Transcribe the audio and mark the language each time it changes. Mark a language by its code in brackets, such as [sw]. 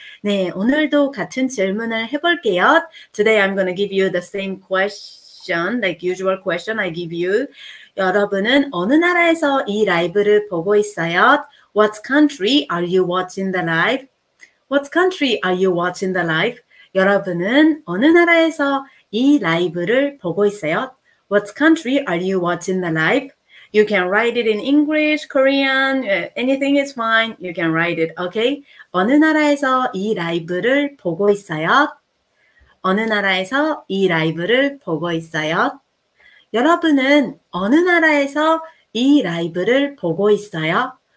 [ko] 네, 오늘도 같은 질문을 해볼게요. [en] Today, I'm going to give you the same question, like usual question I give you. [ko] 여러분은 어느 나라에서 이 라이브를 보고 있어요? [en] What country are you watching the live? What country are you watching the live? [ko] 여러분은 어느 나라에서 이 라이브를 보고 있어요? [en] What country are you watching the live? You can write it in English, Korean, anything is fine. You can write it, okay? [ko] 어느 나라에서 이 라이브를 보고 있어요? 어느 나라에서 이 라이브를 보고 있어요? 여러분은 어느 나라에서 이 라이브를 보고 있어요?